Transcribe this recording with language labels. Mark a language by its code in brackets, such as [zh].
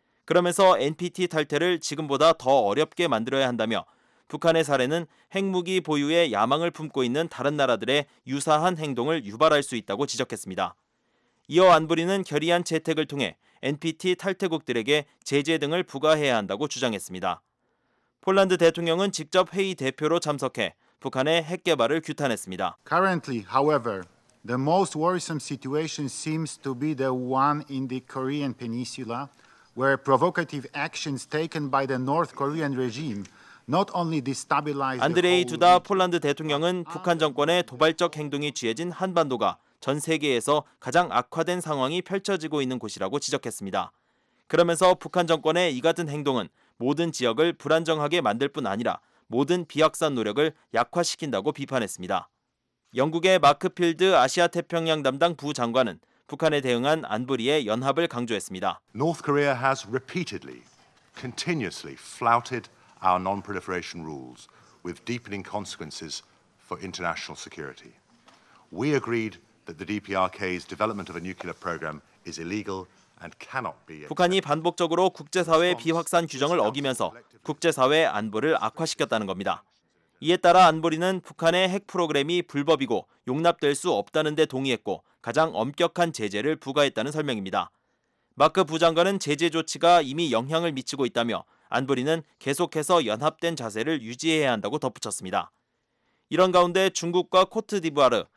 [ko] 그러면서 NPT 탈퇴를 지금보다 더 어렵게 만들어야 한다며 북한의 사례는 핵무기 보유의 야망을 품고 있는 다른 나라들의 유사한 행동을 유발할 수 있다고 지적했습니다. 이어 안보리는 결의안 채택을 통해 NPT 탈퇴국들에게 제재 등을 부과해야 한다고 주장했습니다. 폴란드 대통령은 직접 회의 대표로 참석해 북한의 핵 개발을 규탄했습니다. [en] Currently, however, the most worrisome situation seems to be the one in the Korean Peninsula, where provocative actions taken by the North Korean regime not only destabilized. [ko] 안드레이 두다 폴란드 대통령은 북한 정권의 도발적 행동이 취해진 한반도가 전 세계에서 가장 악화된 상황이 펼쳐지고 있는 곳이라고 지적했습니다. 그러면서 북한 정권의 이 같은 행동은 모든 지역을 불안정하게 만들 뿐 아니라 모든 비확산 노력을 약화시킨다고 비판했습니다. 영국의 마크 필드 아시아태평양 담당 부장관은 북한에 대응한 안보리의 연합을 강조했습니다. [en] North Korea has repeatedly, continuously flouted our non-proliferation rules with deepening consequences for international security. We agreed that the DPRK's development of a nuclear program is illegal. [ko] 북한이 반복적으로 국제사회 비확산 규정을 어기면서 국제사회 안보를 악화시켰다는 겁니다. 이에 따라 안보리는 북한의 핵 프로그램이 불법이고 용납될 수 없다는 데 동의했고 가장 엄격한 제재를 부과했다는 설명입니다. 마크 부장관은 제재 조치가 이미 영향을 미치고 있다며 안보리는 계속해서 연합된 자세를 유지해야 한다고 덧붙였습니다. 이런 가운데 중국과 코트디부아르,